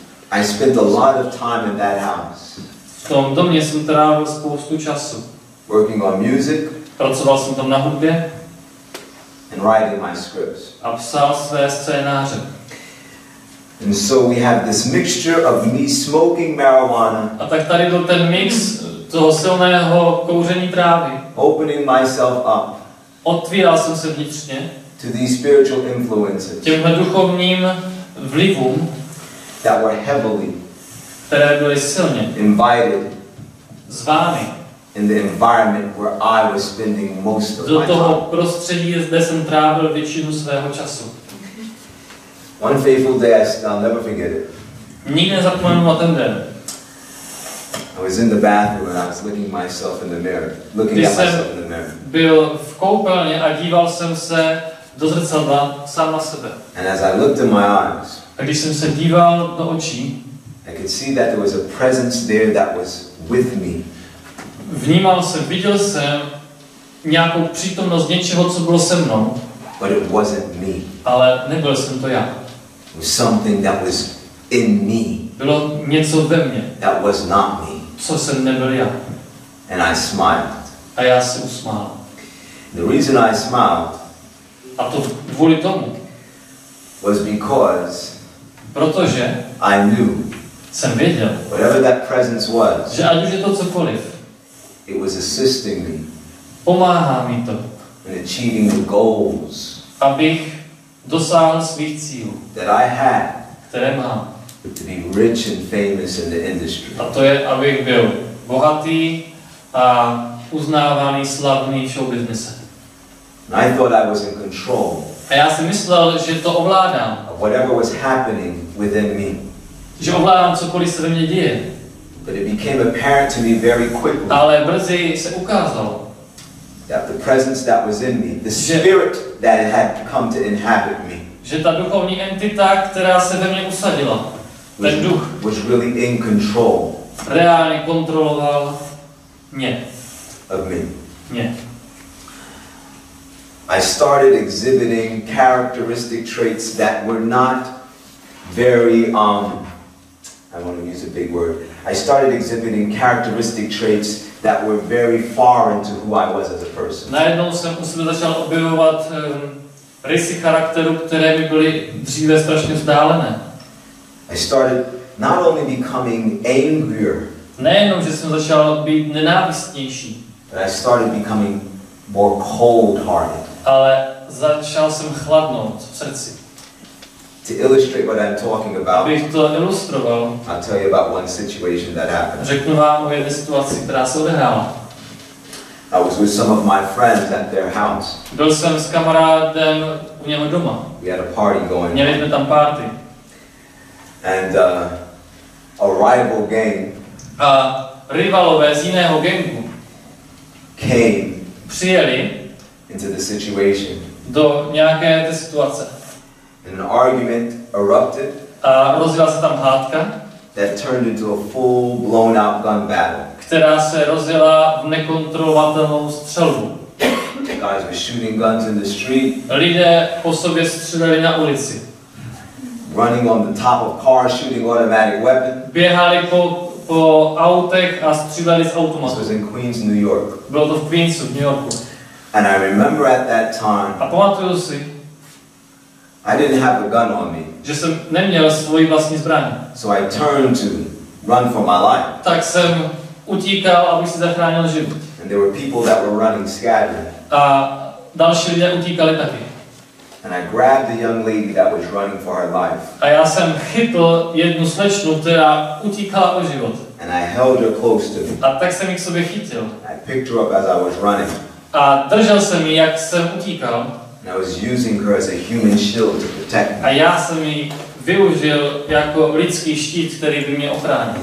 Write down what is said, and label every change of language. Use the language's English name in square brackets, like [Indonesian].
[English] I spent a lot of time in that house. [Czech] V tom domě jsem trávil spoustu času. [English] Working on music. [Czech] Pracoval jsem tam na hudbě. [English] And writing my scripts. [Czech] A psal své scénáře. [English] And so we have this mixture of me smoking marijuana. [Czech] A tak tady byl ten mix toho silného kouření trávy. [English] Opening myself up. [Czech] Otvíral jsem se vnitřně. [English] To these spiritual influences. [Czech] Těmhle duchovním vlivům. [English] That were heavily. [Czech] Které byly silně. [English] Invited. [Czech] Zvány. [English] In the environment where I was spending most of my time. [Czech] Do toho prostředí, kde jsem trávil většinu svého času. [English] One fateful day, I'll never forget it. [Czech] Nikdy nezapomenu na ten den. [English] I was in the bathroom and I was looking myself in the mirror. Looking at myself in the mirror. [Czech] Byl v koupelně a díval jsem se do zrcadla sám na sebe. [English] And as I looked in my eyes. [Czech] A když jsem se díval do očí. [English] I could see that there was a presence there that was with me. [Czech] Vnímal jsem, viděl jsem nějakou přítomnost něčeho, co bylo se mnou. [English] But it wasn't me. [Czech] Ale nebyl jsem to já. [English] It was something that was in me. [Czech] Bylo něco ve mně. [English] That was not me. [Czech] Co jsem nebyl já. [English] And I smiled. [Czech] A já se usmál. [English] The reason I smiled. [Czech] A to kvůli tomu. [English] Was because. [Czech] Protože. [English] I knew. [Czech] Jsem věděl. [English] Whatever that presence was. [Czech] Že ať už je to cokoliv. [English] It was assisting me. [Czech] Pomáhá mi to. [English] In achieving the goals. [Czech] Abych dosáhl svých cílů. [English] That I had. [Czech] Které mám. [English] To be rich and famous in the industry. [Czech] A to je, abych byl bohatý a uznávaný, slavný v show businessu. [English] And I thought I was in control. [Czech] A já si myslel, že to ovládám. [English] Of whatever was happening within me. [Czech] Že ovládám cokoliv se ve mně děje. [English] But it became apparent to me very quickly. [Czech] Ale brzy se ukázalo. [English] That the presence that was in me, the spirit that had come to inhabit me. [Czech] Že ta duchovní entita, která se ve mně usadila, ten duch, [English] was really in control. [Czech] Reálně kontroloval mě. [English] Of me. [Czech] Mě. [English] I started exhibiting characteristic traits that were not very I want to use a big word. I started exhibiting characteristic traits that were very foreign to who I was as a person. [Czech] Najednou jsem u sebe začal objevovat rysy charakteru, které mi byly dříve strašně vzdálené. [English] I started not only becoming angrier. [Czech] Nejenom, že jsem začal být nenávistnější. [English] But I started becoming more cold-hearted. [Czech] Ale začal jsem chladnout v srdci. [English] To illustrate what I'm talking about, [Czech] abych to ilustroval, [English] I'll tell you about one situation that happened. [Czech] Řeknu vám o jedné situaci, která se odehrála. [English] I was with some of my friends at their house. [Czech] Byl jsem s kamarádem u něho doma. [English] We had a party going. [Czech] Měli jsme tam party. [English] And a rival gang. [Czech] A rivalové z jiného gangu. [English] Came. [Czech] Přijeli. [English] Into the situation. [Czech] Do nějaké té situace. [English] And an argument erupted. [Czech] A rozjela se tam hádka. [English] That turned into a full blown out gun battle. [Czech] Která se rozjela v nekontrolovatelnou střelbu. [English] Guys were shooting guns in the street. [Czech] Lidé po sobě střelili na ulici. [English] Running on the top of cars, shooting automatic weapons. [Czech] Běhali po autech a střílali z automatů. [English] It was in Queens, New York. [Czech] Bylo to v Queensu, v New Yorku. [English] And I remember at that time. [Czech] A pamatuju si. [English] I didn't have a gun on me. [Czech] Že jsem neměl svoji vlastní zbraň. [English] So I turned to run for my life. [Czech] Tak jsem utíkal, abych si zachránil život. [English] And there were people that were running scattered. [Czech] A další lidé utíkali taky. [English] And I grabbed the young lady that was running for her life. [Czech] A já jsem chytl jednu slečnu, která utíkala o život. [English] And I held her close to me. [Czech] A tak jsem ji k sobě chytil. [English] I picked her up as I was running. [Czech] A držel jsem ji, jak jsem utíkal. [English] And I was using her as a human shield to protect me. [Czech] A já jsem ji využil jako lidský štít, který by mě ochránil.